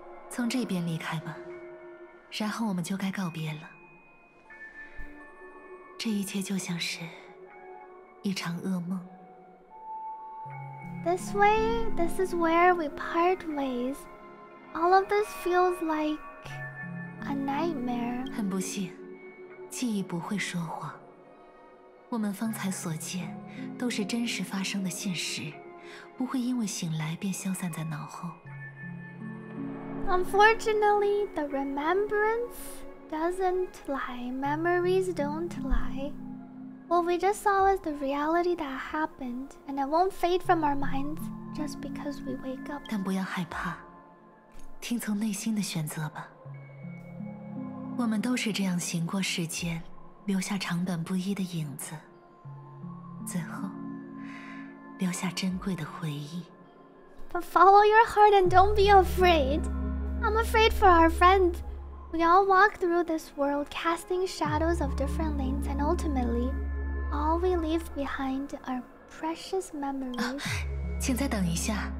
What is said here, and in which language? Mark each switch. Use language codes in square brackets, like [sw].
[zh] 从这边离开吧，然后我们就该告别了。这一切就像是一场噩梦。 [en] This way, this is where we part ways. All of this feels like a nightmare. [zh] 很不幸，记忆不会说谎。我们方才所见，都是真实发生的现实，不会因为醒来便消散在脑后。 [en] Unfortunately, the remembrance doesn't lie. Memories don't lie. What we just saw was the reality that happened, and it won't fade from our minds just because we wake up. [zh] 但不要害怕，听从内心的选择吧。我们都是这样行过世间，留下长短不一的影子，最后留下珍贵的回忆。 [en] But follow your heart and don't be afraid. I'm afraid for our friends. We all walk through this world, casting shadows of different lengths, and ultimately, all we leave behind are precious memories. [zh] 请再等一下。